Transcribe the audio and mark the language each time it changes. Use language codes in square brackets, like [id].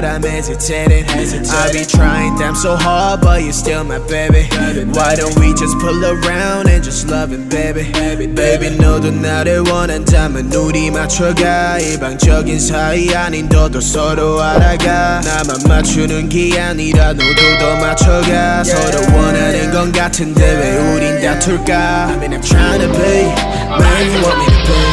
[en] but I'm hesitating. I be trying damn so hard, but you're still my baby. Why don't we just pull around and just love it, baby? [ko] Baby, 너도 나를 원한다면 우리 맞춰가. 일방적인 사이 아닌 너도 서로 알아가. 나만 맞추는 게 아니라 너도 더 맞춰가. 서로 원하는 건 같은데 왜 우린 다툴까? [en] I mean, I'm trying to be, man, you want me to be.